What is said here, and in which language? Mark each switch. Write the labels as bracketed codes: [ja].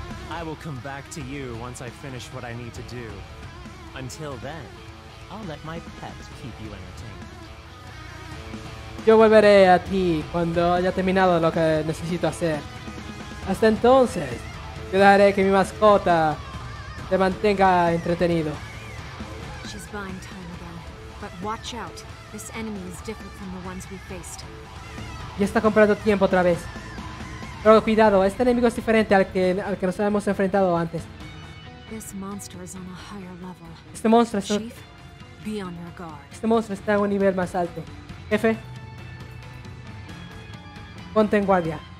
[en] I will come back to you once I finish what I need to do. Until then, I'll let my pet keep you entertained. [es] Yo volveré a ti cuando haya terminado lo que necesito hacer. Hasta entonces, yo dejaré que mi mascota te mantenga entretenido. [en] She's buying time again, but watch out. This enemy is different from the ones we faced. [es] Ya está comprando tiempo otra vez. Pero cuidado, este enemigo es diferente al que nos habíamos enfrentado antes. [en] This monster is on a higher level. [es] Este monstruo está... [en] Chief, be on your guard. [es] Este monstruo está a un nivel más alto. Jefe, ponte en guardia.